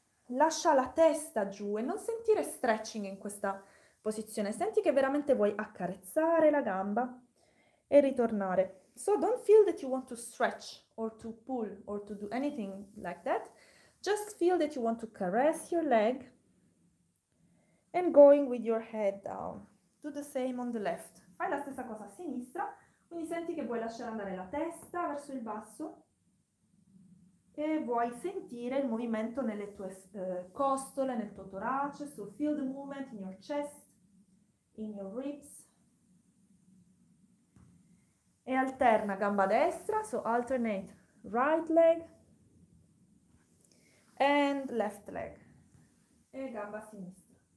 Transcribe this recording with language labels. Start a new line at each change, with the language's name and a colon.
Italian: Lascia la testa giù e non sentire stretching in questa posizione. Senti che veramente vuoi accarezzare la gamba e ritornare.
English: So don't feel that you want to stretch or to pull or to do anything like that. Just feel that you want to caress your leg and going with your head down. Do the same on the left.
Italian: Fai la stessa cosa a sinistra, quindi senti che vuoi lasciare andare la testa verso il basso e vuoi sentire il movimento nelle tue costole, nel tuo torace.
English: So feel the movement in your chest, in your ribs.
Italian: E alterna gamba destra,
English: so alternate right leg and left leg
Italian: e gamba sinistra.